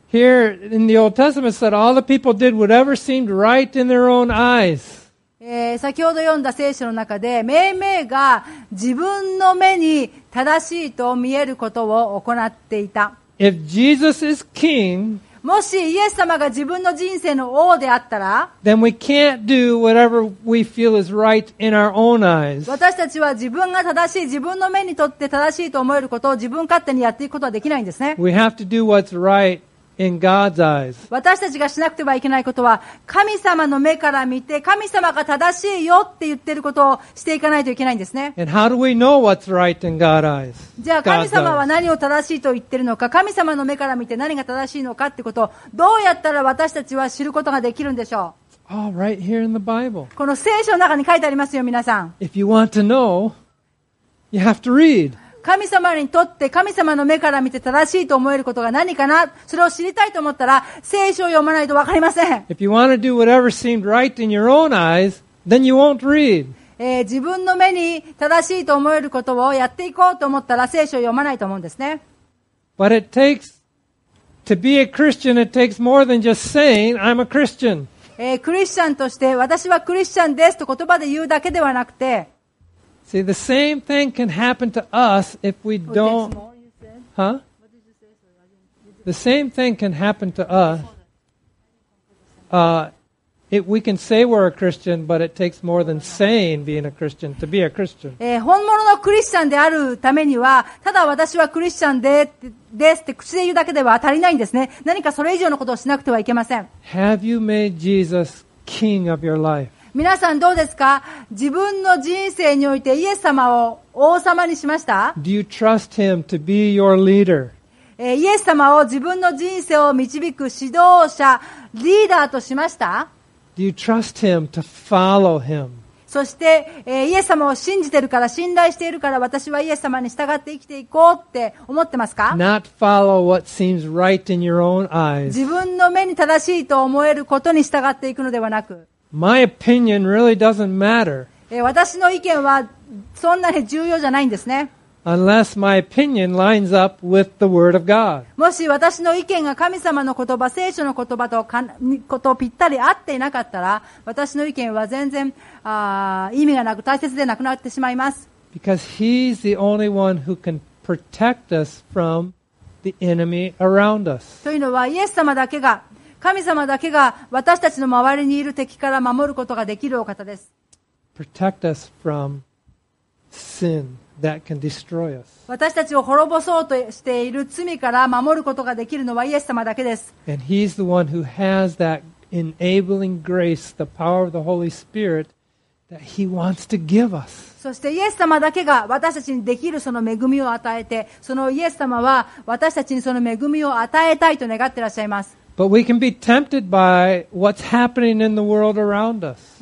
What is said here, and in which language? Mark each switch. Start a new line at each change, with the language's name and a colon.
English: Here in the Old Testament said all the people did whatever seemed right in their own eyes.
Japanese: 先ほど読んだ聖書の中で、めいめいが自分の目に正しいと見えることを行っていた。
English: If Jesus is king,
Japanese: もしイエス様が自分の人生の王であったら、
English: then we can't do whatever we feel is right in our own eyes.
Japanese: 私たちは自分が正しい、自分の目にとって正しいと思えることを自分勝手にやっていくことはできないんですね。
English: We have to do what's right. In God's eyes.
Japanese: 私たちがしなくてはいけないことは神様の目から見て神様が正しいよって言ってることをしていかないといけないんですね。
English: And how do we know what's right in God's eyes?
Japanese: じゃあ神様は何を正しいと言ってるのか、神様の目から見て何が正しいのかってことをどうやったら私たちは知ることができるんでしょう。
English: All right, here in the Bible.
Japanese: この聖書の中に書いてありますよ、皆さん。
English: If you want to know, you have to read.
Japanese: 神様にとって神様の目から見て正しいと思えることが何かな、それを知りたいと思ったら聖書を読まないと分かりません。
English: If you want to do whatever seemed right in your own eyes, then you won't read.
Japanese: 自分の目に正しいと思えることをやっていこうと思ったら聖書を読まないと思うんですね。
English: But it takes, to be a Christian, it takes more than just saying, I'm a Christian.
Japanese: クリスチャンとして私はクリスチャンですと言葉で言うだけではなくて、
English: See, the same thing can happen to us if we don't... Huh? The same thing can happen to us. We can say we're a Christian, but it takes more than saying being a Christian to be a Christian.
Japanese: 本物のクリスチャンであるためには、ただ私はクリスチャンですって口で言うだけでは足りないんですね。何かそれ以上のことをしなくてはいけません。
English: Have you made Jesus king of your life?
Japanese: 皆さんどうですか？自分の人生においてイエス様を王様にしました？
English: Do you trust him to be your leader?
Japanese: イエス様を自分の人生を導く指導者、リーダーとしました？
English: Do you trust him to follow him?
Japanese: そして、イエス様を信じてるから、信頼しているから、私はイエス様に従って生きていこうって思ってますか？
English: Not follow what seems right in your own eyes.
Japanese: 自分の目に正しいと思えることに従っていくのではなく、
English: My opinion really doesn't matter.
Japanese: 私の意見はそんなに重要じゃないんですね。
English: Unless my opinion lines up with the word of God.
Japanese: もし私の意見が神様の言葉、聖書の言葉とことぴったり合っていなかったら、私の意見は全然意味がなく大切でなくなってしまいます。
English: Because he's the only one who can protect us from the enemy around us.
Japanese: というのはイエス様だけが神様だけが私たちの周りにいる敵から守ることができるお方です。
English: Protect us from sin that can destroy us.
Japanese: 私たちを滅ぼそうとしている罪から守ることができるのはイエス様だけです。
English: And he's the one who has that enabling grace, the power of the Holy Spirit that he wants to give us.
Japanese: そしてイエス様だけが私たちにできるその恵みを与えて、そのイエス様は私たちにその恵みを与えたいと願っていらっしゃいます。
English: But we can be tempted by what's happening in the world around us.